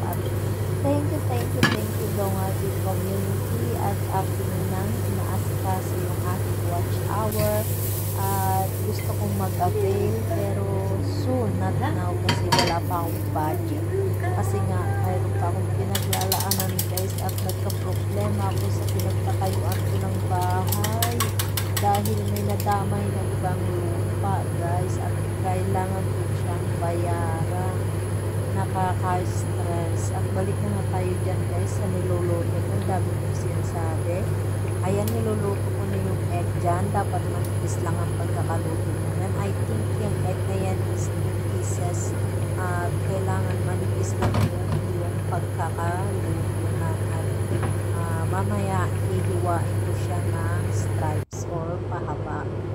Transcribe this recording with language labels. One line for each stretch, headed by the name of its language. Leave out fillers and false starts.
Filipino: At thank you dong ating community at ating nang inaasikas yung ating watch hour. At gusto kong mag-avail pero
English: soon, not now
Filipino: kasi wala pa akong budget kasi nga mayroon pa akong pinaglalaanan guys at nagka-problema ako sa pinagtatayuan ko ng bahay dahil may nadamay ng ibang lupa guys at kailangan ko siyang bayaran. Nakaka-stress. At balik na nga tayo dyan guys sa niluluto, ang dami ko sinasabi. Ayan, niluluto ko na yung egg dyan. Dapat matipis lang ang pagkakaluto mo.
English: And I think
Filipino: yung
English: egg
Filipino: na yan
English: is pieces.
Filipino: Kailangan manipis lang yung pagkakaluto na. At mamaya, hihiwain ko siya ng stripes or pahaba.